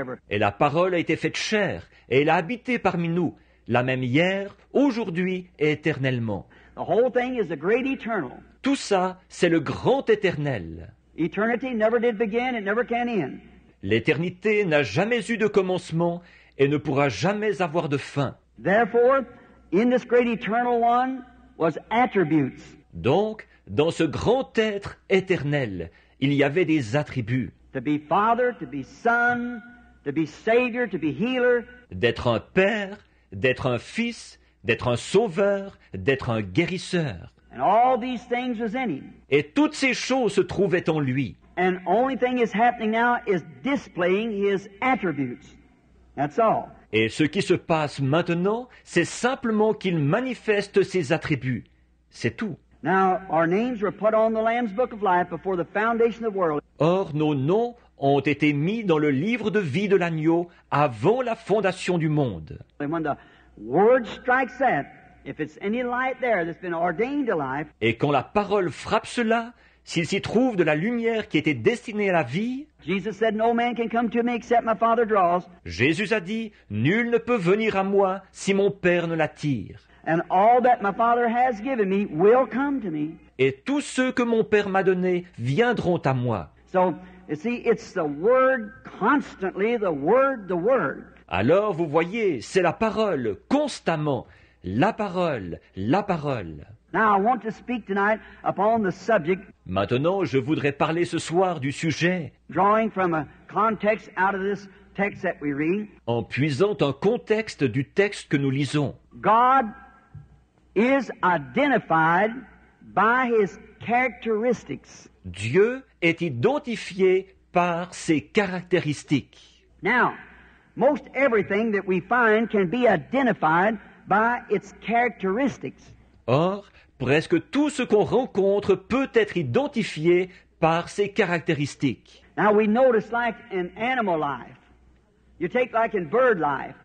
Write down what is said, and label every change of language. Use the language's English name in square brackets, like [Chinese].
[French] Et la parole a été faite chair, et elle a habité parmi nous, la même hier, aujourd'hui et éternellement. [English] The whole thing is a great eternal. [French] Tout ça, c'est le grand éternel. [English] Eternity never did begin, it never can end. [French] L'éternité n'a jamais eu de commencement et ne pourra jamais avoir de fin. [English] Therefore, in this great eternal one was attributes. [French] Donc, dans ce grand être éternel, il y avait des attributs. [English] To be father, to be son, to be savior, to be healer. [French] D'être un père, d'être un fils, d'être un sauveur, d'être un guérisseur. [English] And all these things was in him. [French] Et toutes ces choses se trouvaient en lui. [English] And only thing is happening now is displaying his attributes. That's all. [French] Et ce qui se passe maintenant, c'est simplement qu'il manifeste ses attributs. C'est tout. [English] Now, our names were put on the Lamb's Book of Life before the foundation of the world. [French] Or, nos noms ont été mis dans le livre de vie de l'agneau avant la fondation du monde. [English] And when the word strikes that, if it's any light there that's been ordained to life. [French] Et quand la parole frappe cela, s'il s'y trouve de la lumière qui était destinée à la vie, [English] Jesus said, no man can come to me except my Father draws. [French] Jésus a dit, nul ne peut venir à moi si mon Père ne l'attire. [English] And all that my Father has given me will come to me. [French] Et tous ceux que mon Père m'a donné viendront à moi. [English] So, you see, it's the Word constantly, the Word. [French] Alors, vous voyez, c'est la parole, constamment, la parole, la parole. [English] Now, I want to speak tonight upon the subject. [French] Maintenant, je voudrais parler ce soir du sujet. [English] Drawing from a context out of this text that we read. [French] En puisant un contexte du texte que nous lisons. [English] God is identified by his characteristics. [French] Dieu est identifié par ses caractéristiques. [English] Now, most everything that we find can be identified by its characteristics. [French] Or, presque tout ce qu'on rencontre peut être identifié par ses caractéristiques. [English] Now we notice like in animal life. You take like in bird life.